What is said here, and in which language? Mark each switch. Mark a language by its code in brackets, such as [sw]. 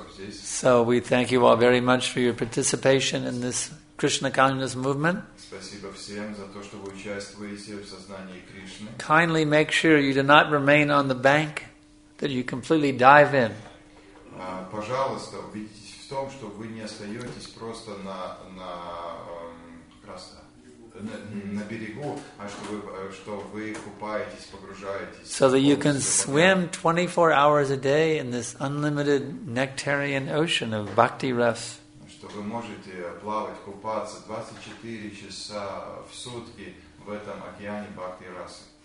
[en] So we thank you all very much for your participation in this Krishna consciousness movement. [ru] Спасибо всем за то, что вы участвуете в сознании Кришны. [en] Kindly make sure you do not remain on the bank, that you completely dive in. [ru] Пожалуйста, убедитесь в том, что вы не остаетесь просто на берегу, а что вы купаетесь, погружаетесь. [en] So that you can swim 24 hours a day in this unlimited nectarian ocean of bhakti ras. [ru] Что вы можете плавать, купаться 24 часа в сутки в этом океане бхакти рас.